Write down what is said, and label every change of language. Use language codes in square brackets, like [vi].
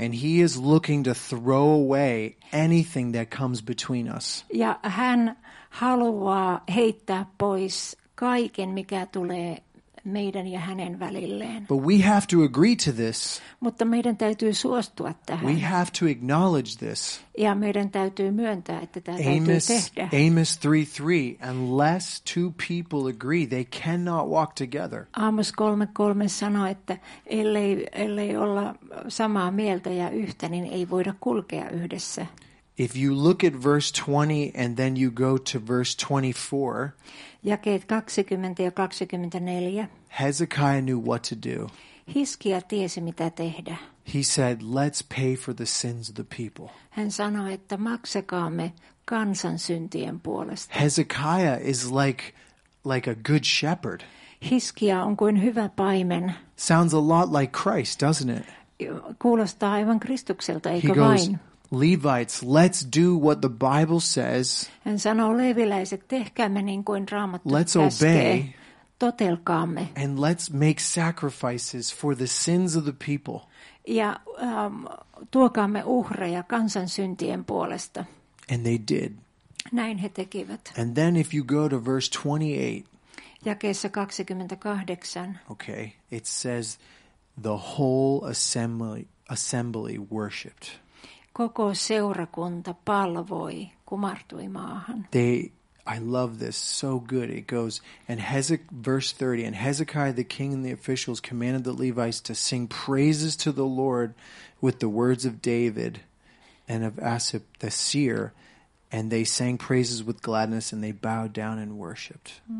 [en] And he is looking to throw away anything that comes between us. [fi] Ja hän haluaa heittää pois kaiken, mikä tulee meidän ja hänen välilleen. [en] But we have to agree to this. [fi] Mutta meidän täytyy suostua tähän. [en] We have to acknowledge this. [fi] Ja meidän täytyy myöntää, että tämä Amos, täytyy tehdä. [en] Amos 3:3, unless two people agree, they cannot walk together. [fi] Amos 3:3 sanoo, että ellei olla samaa mieltä ja yhtä, niin ei voida kulkea yhdessä. [en] If you look at verse 20 and then you go to verse 24, [fi] jakeet 20 ja 24, [en] Hezekiah knew what to do. [fi] Hiskia tiesi, mitä tehdä. [en] He said, let's pay for the sins of the people. [fi] Hän sanoi, että maksakaamme kansan syntien puolesta. [en] Hezekiah is like a good shepherd. [fi] Hiskia on kuin hyvä paimen. [en] Sounds a lot like Christ, doesn't it? [fi] Kuulostaa aivan Kristukselta, eikö vain? [en] Levites, let's do what the Bible says. [fi] Hän sanoo, leviläiset, tehkäämme niin kuin Raamattu käskee. [en] Let's obey. [fi] Totelkaamme. [en] And let's make sacrifices for the sins of the people. [fi] Ja tuokaamme uhreja kansan syntien puolesta. [en] And they did. [fi] Näin he tekivät. [en] And then if you go to verse 28. [fi] Jakeessa 28. [en] Okay, it says the whole assembly worshipped. [fi] Koko seurakunta palvoi, kumartui maahan. [en] I love this so good. It goes, and verse 30, and Hezekiah the king and the officials commanded the Levites to sing praises to the Lord with the words of David and of Asaph the seer, and they sang praises with gladness and they bowed down and worshipped.